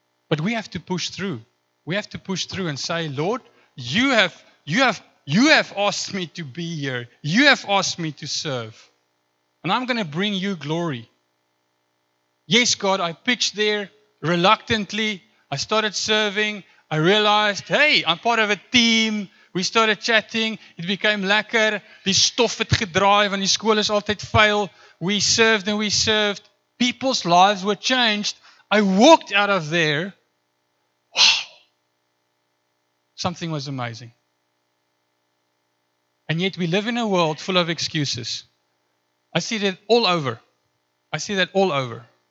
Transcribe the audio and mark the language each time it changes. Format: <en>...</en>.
<en>But we have to push through. We have to push through and say, Lord, you have asked me to be here. You have asked me to serve. And I'm going to bring you glory. Yes, God, I pitched there reluctantly. I started serving. I realized, hey, I'm part of a team. We started chatting. It became lekker.</en> <af>Die stof het gedraai, want die skool is altijd vuil.</af> <en>We served and we served. People's lives were changed. I walked out of there. Wow. Something was amazing. And yet we live in a world full of excuses. I see that all over.</en>